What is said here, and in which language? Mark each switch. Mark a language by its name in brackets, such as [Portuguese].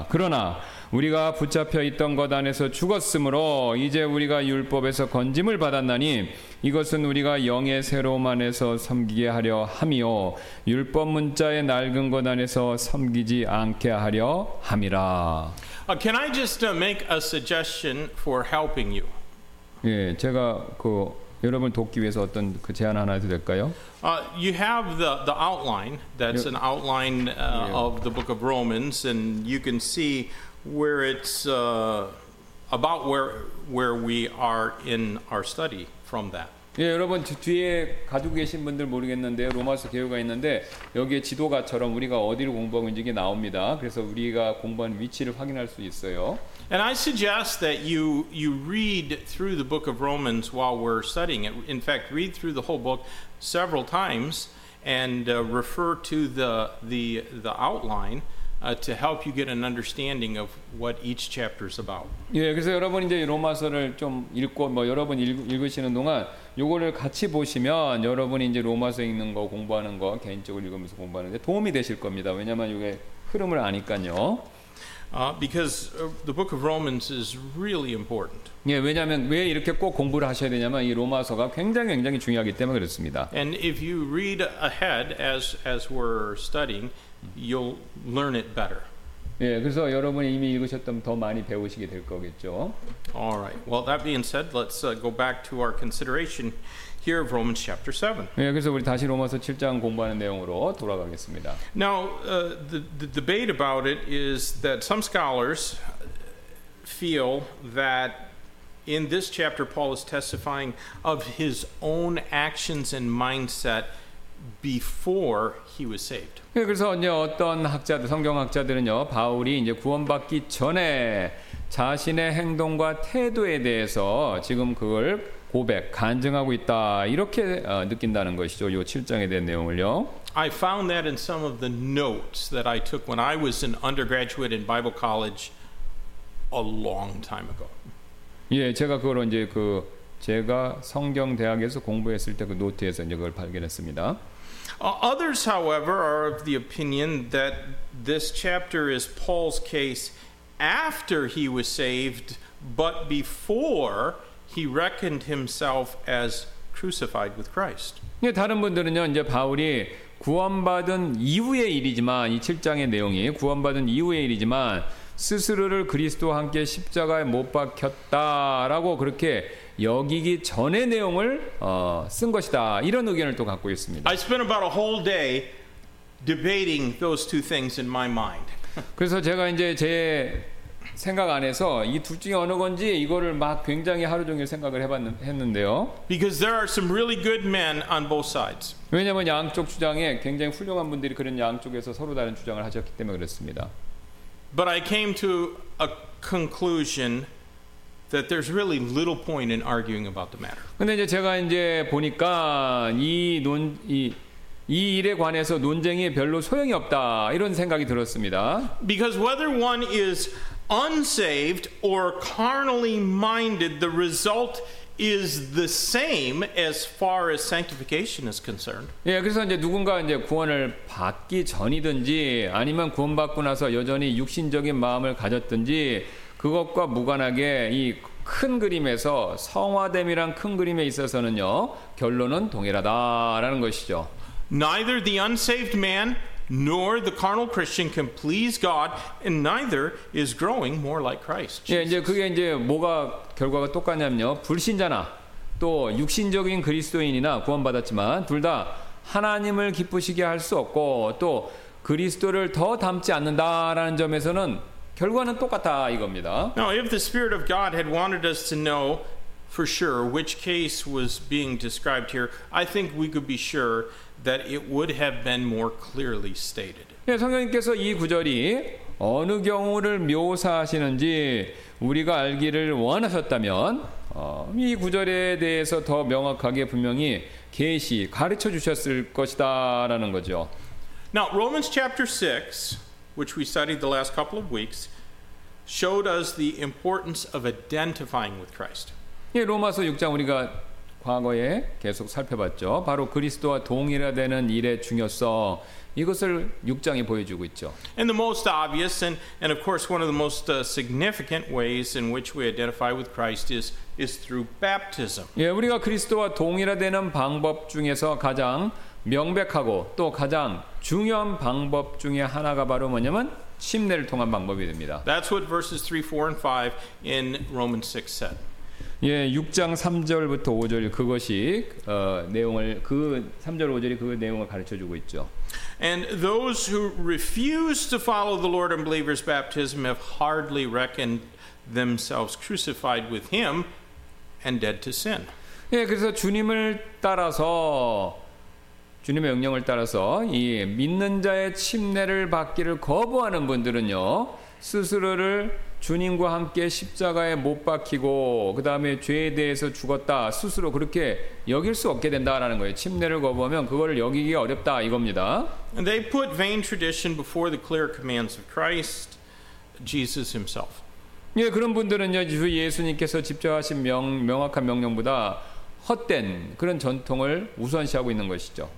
[Korean] 그러나 우리가 붙잡혀 있던 것 안에서 죽었으므로 이제 우리가 율법에서 건짐을 받았나니 이것은 우리가 영의 새로움 안에서 섬기게 하려 함이요 율법 문자의 낡은 것 안에서 섬기지 않게 하려 함이라. [English] Can I just make a suggestion for helping you? [Korean] 예, 제가 그 여러분 돕기 위해서 어떤 그 제안 하나 해도 될까요? [English] You have the outline. That's an outline of the book of Romans, and you can see where it's about where we are in our study from that. [Korean] 예, 여러분 뒤에 가지고 계신 분들 모르겠는데 로마서 개요가 있는데 여기에 지도가처럼 우리가 어디를 공부하고 있는지 이게 나옵니다. 그래서 우리가 공부한 위치를 확인할 수 있어요. [English] And I suggest that you read through the book of Romans while we're studying it. In fact, read through the whole book several times and refer to the outline. To help you get an understanding of what each chapter is about. [Korean] 예, 그래서 여러분 이제 로마서를 좀 읽고 뭐 여러분 읽으시는 동안 요거를 같이 보시면 여러분이 이제 로마서 읽는 거 공부하는 거 개인적으로 읽으면서 공부하는데 도움이 되실 겁니다. 왜냐면 이게 흐름을 아니까요. [English] Because the book of Romans is really important. [Korean] 예, 왜냐면 왜 이렇게 꼭 공부를 하셔야 되냐면 이 로마서가 굉장히 중요하기 때문에 그렇습니다. [English] And if you read ahead as we're studying, you'll learn it better. [Korean] 예, 그래서 여러분이 이미 읽으셨다면 더 많이 배우시게 될 거겠죠. [English] All right. Well, that being said, let's go back to our consideration here of Romans chapter 7. [Korean] 예, 그래서 우리 다시 로마서 7장 공부하는 내용으로 돌아가겠습니다. [English] Now, the debate about it is that some scholars feel that in this chapter Paul is testifying of his own actions and mindset before he was saved. [Korean] 예, 그래서 이제 어떤 학자들, 성경학자들은요, 바울이 이제 구원받기 전에 자신의 행동과 태도에 대해서 지금 그걸 고백, 간증하고 있다. 이렇게 느낀다는 것이죠. 요 7장에 대한 내용을요. [English] I found that in some of the notes that I took when I was an undergraduate in Bible college a long time ago. [Korean] 예, 제가 그걸 이제 그 제가 성경 대학에서 공부했을 때 그 노트에서 이제 그걸 발견했습니다. [English] Others however are of the opinion that this chapter is Paul's case after he was saved but before he reckoned himself as crucified with Christ. [Korean] 예, 다른 분들은요. 이제 바울이 구원받은 이후의 일이지만 이 7장의 내용이 구원받은 이후의 일이지만 스스로를 그리스도와 함께 십자가에 못 박혔다라고 그렇게 여기기 전의 내용을 쓴 것이다. 이런 의견을 또 갖고 있습니다. [English] I spent about a whole day debating those two things in my mind. [Korean] 그래서 제가 이제 제 생각 안에서 이 둘 중에 어느 건지 이거를 막 굉장히 하루 종일 생각을 했는데요. [English] Because there are some really good men on both sides. [Korean] 왜냐면 양쪽 주장에 굉장히 훌륭한 분들이 그런 양쪽에서 서로 다른 주장을 하셨기 때문에 그랬습니다. [English] But I came to a conclusion that there's really little point in arguing about the matter. [Korean] 근데 이제 제가 이제 보니까 이 일에 관해서 논쟁이 별로 소용이 없다. 이런 생각이 들었습니다. [English] Because whether one is unsaved or carnally minded, the result is the same as far as sanctification is concerned. [Korean] 예, 그래서 이제 누군가 이제 구원을 받기 전이든지 아니면 구원받고 나서 여전히 육신적인 마음을 가졌든지 그것과 무관하게 이 큰 그림에서 성화됨이란 큰 그림에 있어서는요 결론은 동일하다라는 것이죠. [English] Neither the unsaved man nor the carnal Christian can please God, and neither is growing more like Christ. Jesus. [Korean] 예, 이제 그게 이제 뭐가 결과가 똑같냐면요, 불신자나 또 육신적인 그리스도인이나 구원받았지만 둘 다 하나님을 기쁘시게 할 수 없고 또 그리스도를 더 닮지 않는다라는 점에서는 결과는 똑같다 이겁니다. [English] Now, if the Spirit of God had wanted us to know for sure which case was being described here, I think we could be sure that it would have been more clearly stated. [Korean] 예, 성경님께서 이 구절이 어느 경우를 묘사하시는지 우리가 알기를 원하셨다면 이 구절에 대해서 더 명확하게 분명히 계시 가르쳐 주셨을 것이다라는 거죠. [English] Now, Romans chapter 6, which we studied the last couple of weeks, showed us the importance of identifying with Christ. [Korean] 예, 로마서 6장 우리가 과거에 계속 살펴봤죠. 바로 그리스도와 동일화되는 일의 중요성 이것을 6장에 보여주고 있죠. [English] And the most obvious and of course one of the most significant ways in which we identify with Christ is through baptism. [Korean] 예, 우리가 그리스도와 동일화되는 방법 중에서 가장 명백하고 또 가장 중요한 방법 중에 하나가 바로 뭐냐면 침례를 통한 방법이 됩니다. [English] That's what verses 3, 4 and 5 in Romans 6 said. [Korean] 예, 6장 3절부터 5절 그것이 내용을 그 3절 5절이 그 내용을 가르쳐 주고 있죠. [English] And those who refuse to follow the Lord and believers baptism have hardly reckoned themselves crucified with him and dead to sin. [Korean] 예, 그래서 주님을 따라서 주님의 명령을 따라서 이 믿는 자의 침례를 받기를 거부하는 분들은요. 스스로를 주님과 함께 십자가에 못 박히고 그 다음에 죄에 대해서 죽었다 스스로 그렇게 여길 수 없게 된다라는 거예요. 침례를 거부하면 그걸 여기기 어렵다 이겁니다. [English] And they put vain tradition before the clear commands of Christ Jesus himself. [Korean] 예, 그런 분들은요 주 예수님께서 집정하신 명확한 명령보다 헛된 그런 전통을 우선시하고 있는 것이죠.